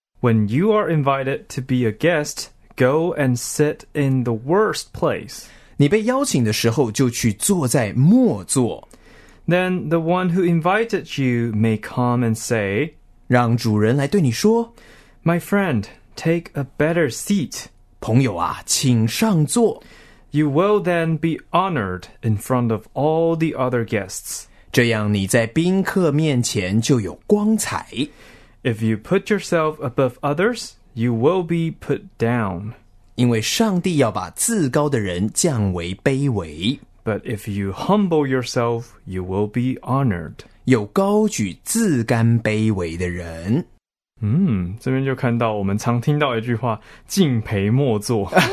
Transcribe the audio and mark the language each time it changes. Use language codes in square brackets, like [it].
[en] When you are invited to be a guest, go and sit in the worst place. [zh] 你被邀请的时候就去坐在末座。 [en] Then the one who invited you may come and say, [zh] 让主人来对你说， [en] My friend, take a better seat. [zh] 朋友啊，请上座。 [en] You will then be honored in front of all the other guests. [zh] 这样你在宾客面前就有光彩。 [en] If you put yourself above others, you will be put down. [zh] 因为上帝要把自高的人降为卑微。 [en] But if you humble yourself, you will be honored. [zh] 有高举自甘卑微的人。这边就看到我们常听到一句话，敬陪末座。